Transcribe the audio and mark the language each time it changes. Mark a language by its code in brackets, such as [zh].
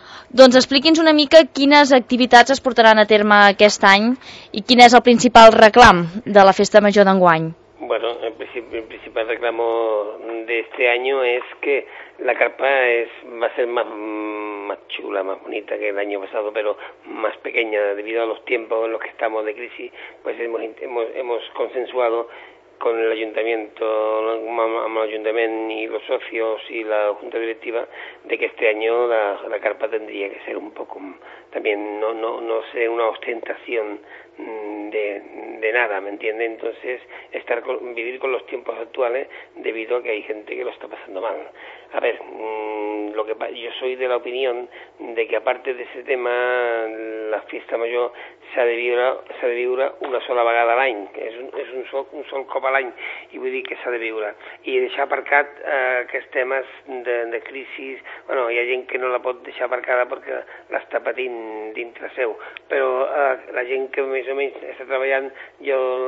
[ca] Doncs expliqui'ns una mica quines activitats es portaran a terme aquest any i quin és el principal reclam de la Festa Major d'enguany. [es] Bueno, el principal reclamo de este año es que la carpa va a ser más chula, más bonita que el año pasado, pero más pequeña. Debido a los tiempos en los que estamos de crisis, pues hemos consensuado con el ayuntamiento, el ayuntamiento y los socios y la junta directiva, de que este año la carpa tendría que ser un poco también, no ser una ostentación de nada, ¿me entiende? Entonces, vivir con los tiempos actuales, debido a que hay gente que lo está pasando mal. A ver, yo soy de la opinión de que, aparte de ese tema, la Fiesta Mayor se ha de [ca] viure una sola vegada a l'any, que és un sol cop a l'any, i vull dir que s'ha de viure. I deixar aparcat aquests temes de crisi, bueno, hi ha gent que no la pot deixar aparcada perquè l'està patint dintre seu, però la gent que més o menys està treballant, jo